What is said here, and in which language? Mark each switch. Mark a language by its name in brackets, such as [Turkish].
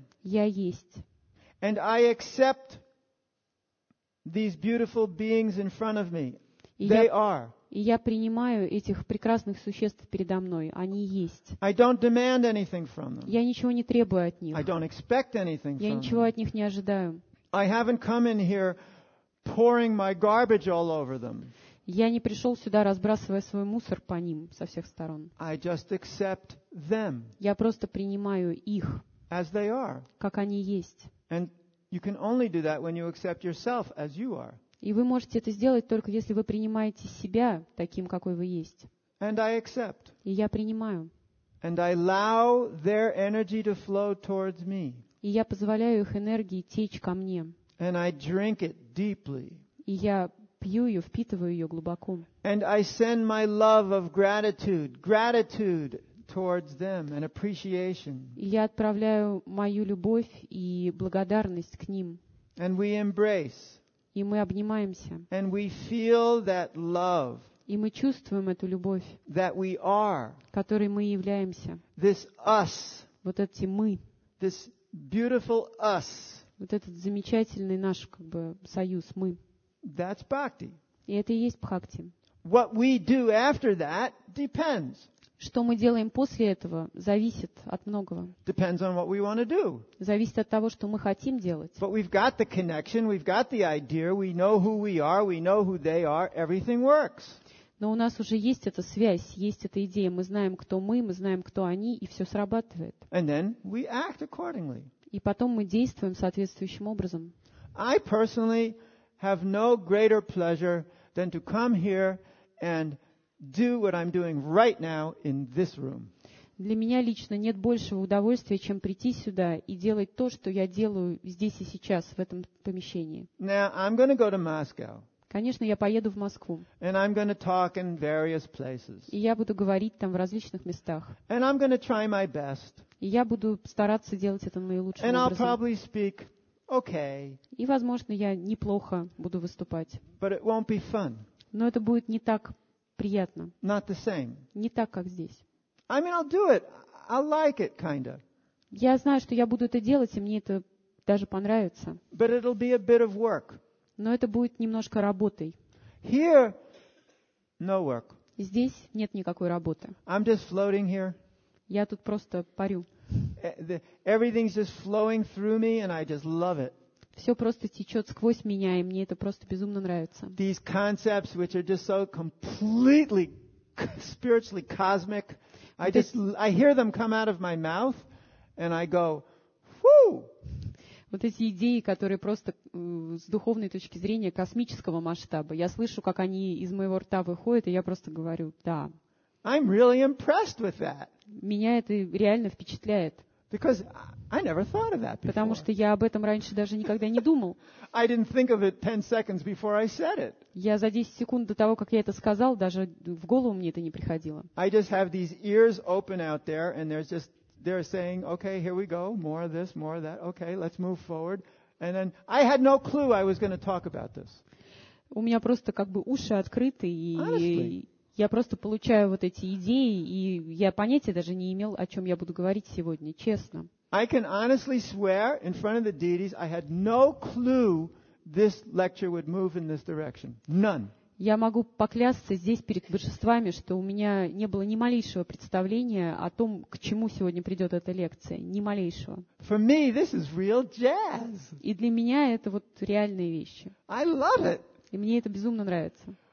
[Russian] Я есть. [English] And I accept these beautiful beings in front of me. They are. [Russian] И я принимаю этих прекрасных существ передо мной. Они есть. [English] I don't demand anything from them. [Russian] Я ничего не требую от них. [English] I don't expect anything from them. [Russian] Я ничего от них не ожидаю. [English] I haven't come in here pouring my garbage all over them. [Russian] Я не пришел сюда, разбрасывая свой мусор по ним со всех сторон. [English] I just accept them. [Russian] Я просто принимаю их. [English] As they are. [Russian] Как они есть. [English] And you can only do that when you accept yourself as you are. [Russian] И вы можете это сделать только если вы принимаете себя таким, какой вы есть. [English] And I accept. [Russian] И я принимаю. [English] And I allow their energy to flow towards me. [Russian] И я позволяю их энергии течь ко мне. [English] And I drink it deeply. [Russian] И я пью ее, впитываю ее глубоко. [English] And I send my love of gratitude towards them and appreciation. [Russian] Я отправляю мою любовь и благодарность к ним. [English] And we embrace. [Russian] И мы обнимаемся. [English] And we feel that love. [Russian] И мы чувствуем эту любовь. [English] That we are. [Russian] Которой мы являемся. [English] This us. [Russian] Вот эти мы. [English] This beautiful us. [Russian] Вот этот замечательный наш как бы союз мы. [English] That's bhakti. [Russian] И это и есть бхакти. [English] What we do after that depends. [Russian] Что мы делаем после этого, зависит от многого. [English] Depends on what we want to do. [Russian] Зависит от того, что мы хотим делать. [English] But we've got the connection, we've got the idea, we know who we are, we know who they are, everything works. [Russian] Но у нас уже есть эта связь, есть эта идея, мы знаем, кто мы знаем, кто они, и все срабатывает. [English] And then we act accordingly. [Russian] И потом мы действуем соответствующим образом. [English] I personally have no greater pleasure than to come here and do what I'm doing right now in this room. [Russian] Для меня лично нет большего удовольствия, чем прийти сюда и делать то, что я делаю здесь и сейчас в этом помещении. [English] Now I'm going to go to Moscow. [Russian] Конечно, я поеду в Москву. [English] And I'm going to talk in various places. [Russian] И я буду говорить там в различных местах. [English] And I'm going to try my best. [Russian] И я буду стараться делать это наилучшим [English] And [Russian] образом. [English] And I'll probably speak okay. [Russian] И, возможно, я неплохо буду выступать. [English] But it won't be fun. [Russian] Но это будет не так приятно. [English] Not the same. [Russian] Не так, как здесь. [English] I mean, I'll do it. I'll like it, kinda. [Russian] Я знаю, что я буду это делать, и мне это даже понравится. [English] But it'll be a bit of work. [Russian] Но это будет немножко работой. [English] Here, no work. [Russian] Здесь нет никакой работы. [English] I'm just floating here. [Russian] Я тут просто парю. [English] Everything's just flowing through me, and I just love it. [Russian] Все просто течет сквозь меня, и мне это просто безумно нравится. [English] These concepts, which are just so completely spiritually cosmic, I hear them come out of my mouth, and I go, whoo! [Russian] Вот эти идеи, которые просто с духовной точки зрения космического масштаба, я слышу, как они из моего рта выходят, и я просто говорю, да. [English] I'm really impressed with that. [Russian] Меня это реально впечатляет. [English] Because I never thought of that before. [Russian] Потому что я об этом раньше даже никогда не думал. [English] I didn't think of it 10 seconds before I said it. [Russian] Я за 10 секунд до того, как я это сказал, даже в голову мне это не приходило. [English] I just have these ears open out there, and they're saying, okay, here we go, more of this, more of that, okay, let's move forward. And then I had no clue I was going to talk about this. [Russian] У меня просто как бы уши открыты, и я просто получаю вот эти идеи, и я понятия даже не имел, о чем я буду говорить сегодня, честно. [English] I can honestly swear in front of the deities I had no clue this lecture would move in this direction. None. [Russian] Я могу поклясться здесь перед божествами, что у меня не было ни малейшего представления о том, к чему сегодня придет эта лекция. Ни малейшего. [English] For me, this is real jazz. [Russian] И для меня это вот реальные вещи. [English] I love it. [Russian] И мне это безумно нравится.